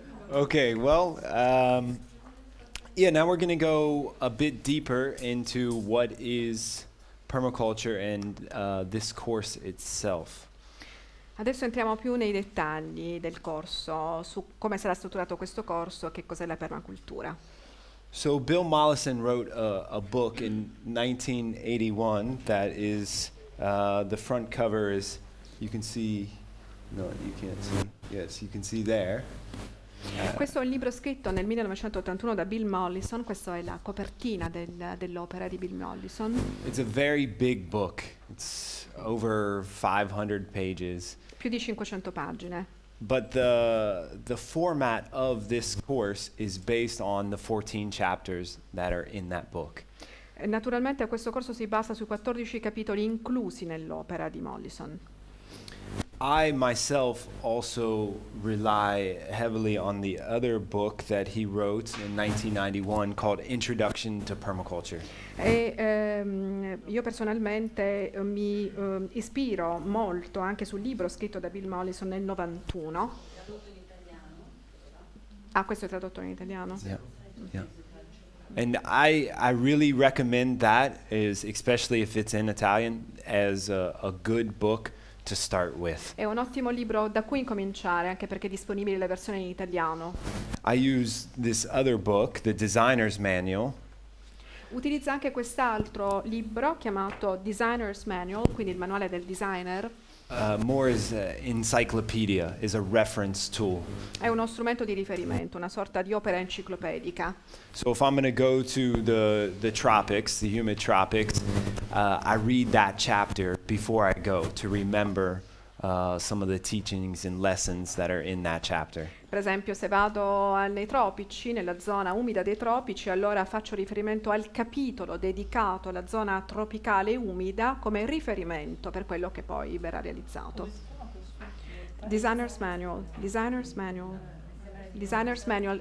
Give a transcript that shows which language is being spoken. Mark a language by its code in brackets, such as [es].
[en] Okay, well, yeah, now we're going to go a bit deeper into what is permaculture and this course itself. [it] Adesso entriamo più nei dettagli del corso, su come sarà strutturato questo corso, che cos'è la permacultura. [en] So Bill Mollison wrote a book in 1981 that is, the front cover is, you can see, no, you can't see, yes, you can see there. [it] Questo è un libro scritto nel 1981 da Bill Mollison. Questa è la copertina dell'opera di Bill Mollison. [en] It's a very big book. It's over 500 pages. [it] Più di 500 pagine. [en] But the format of this course is based on the 14 chapters that are in that book. [it] Naturalmente questo corso si basa sui 14 capitoli inclusi nell'opera di Mollison. [en] I myself also rely heavily on the other book that he wrote in 1991 called Introduction to Permaculture. [it] E io personalmente mi ispiro molto anche sul libro scritto da Bill Mollison nel 91. Ah, questo è tradotto in italiano. [en] Yeah. Yeah. And I really recommend that, is especially if it's in Italian, as a good book to start with. [it] È un ottimo libro da cui incominciare, anche perché è disponibile la versione in italiano. [en] I use this other book, The Designer's Manual. [it] Utilizza anche quest'altro libro chiamato Designer's Manual, quindi il manuale del designer. [en] More is encyclopedia, is a reference tool. [it] È uno strumento di riferimento, una sorta di opera enciclopedica. [en] So if I'm going to go to the tropics, the humid tropics, I read that chapter before I go to remember some of the teachings and lessons that are in that chapter. [it] Per esempio, se vado nei tropici, nella zona umida dei tropici, allora faccio riferimento al capitolo dedicato alla zona tropicale umida come riferimento per quello che poi verrà realizzato. [en] Designer's Manual, Designer's Manual, Designer's Manual.